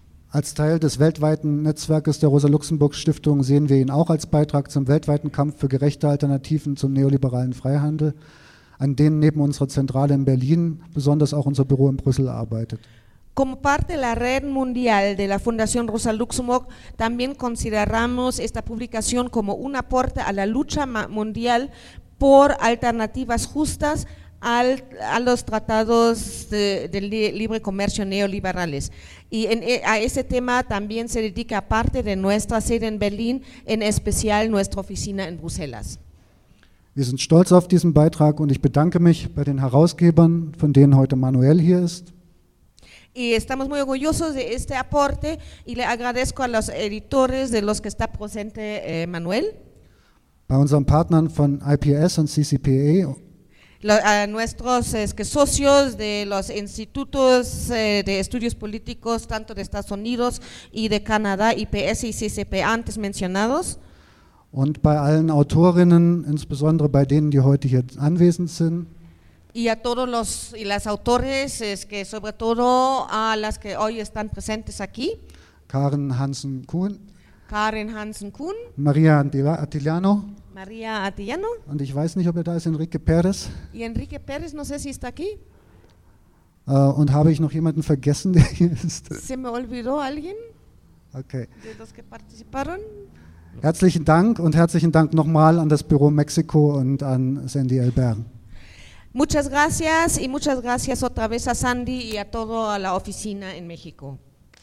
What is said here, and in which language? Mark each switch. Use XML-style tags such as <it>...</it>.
<de>Als Teil des weltweiten Netzwerkes der Rosa-Luxemburg-Stiftung sehen wir ihn auch als Beitrag zum weltweiten Kampf für gerechte Alternativen zum neoliberalen Freihandel, an denen neben unserer Zentrale in Berlin besonders auch unser Büro in Brüssel arbeitet.</de> <es>Como parte de la red mundial de la Fundación Rosa Luxemburg, también consideramos esta publicación como un aporte a la lucha mundial por alternativas justas a los tratados de libre comercio neoliberales. Y a ese tema también se dedica parte de nuestra sede en Berlín, en especial nuestra oficina en Bruselas.</es> <de>Wir sind stolz auf diesen Beitrag und ich bedanke mich bei den Herausgebern, von denen heute Manuel hier ist.</de> <es>Y estamos muy orgullosos de este aporte y le agradezco a los editores de los que está presente Manuel.</es> <de>Bei unseren Partnern von IPS und CCPA.</de> <es>A nuestros socios de los institutos de estudios políticos, tanto de Estados Unidos y de Canadá, IPS y CCPA, antes mencionados.</es> <de>Und bei allen Autorinnen, insbesondere bei denen, die heute hier anwesend sind.</de> <es>Y a todos los y las autores, es que sobre todo a las que hoy están presentes aquí.</es> <de>Karen Hansen Kuhn.</de> <es>Karen Hansen Kuhn.</es> <de>Maria Attiliano.</de> <es>Maria Attiliano.</es> <de>Und ich weiß nicht, ob er da ist, Enrique Perez.</de> <es>Y Enrique Perez, no sé si está aquí.</es> <de>Und habe ich noch jemanden vergessen, der hier ist?</de> <es>Se me olvidó alguien. Okay. De los que participaron.</es> <de>Herzlichen Dank und herzlichen Dank nochmal an das Büro Mexiko und an Sandy Albert.</de> <es>Muchas gracias y muchas gracias otra vez a Sandy y a toda la oficina en México.</es>